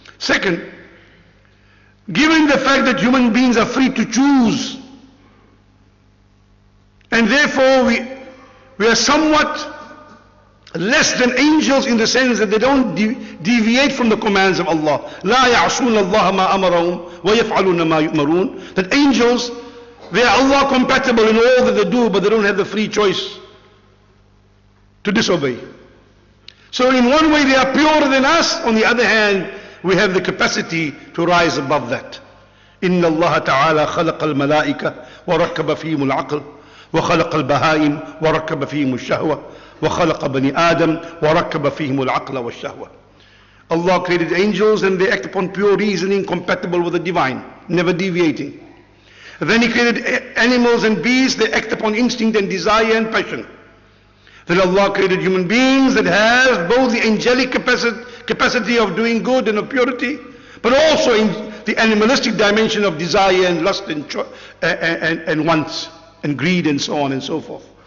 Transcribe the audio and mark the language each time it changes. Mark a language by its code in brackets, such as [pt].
[en] Second, given the fact that human beings are free to choose, and therefore we are somewhat less than angels in the sense that they don't deviate from the commands of Allah. [ar] لا يعصون الله ما أمرهم ويفعلون ما يؤمرون. [en] That angels, they are Allah compatible in all that they do, but they don't have the free choice to disobey. So in one way they are purer than us, on the other hand, we have the capacity to rise above that. [ar] إن الله تعالى خلق الملائكة وركب فيهم العقل وخلق البهائم وركب فيهم الشهوة وخلق بني آدم وركب فيهم العقل والشهوة. [en] Allah created angels and they act upon pure reasoning compatible with the divine, never deviating. Then He created animals and beasts, they act upon instinct and desire and passion. Then Allah created human beings that have both the angelic capacity of doing good and of purity, but also in the animalistic dimension of desire and lust and wants and greed and so on and so forth.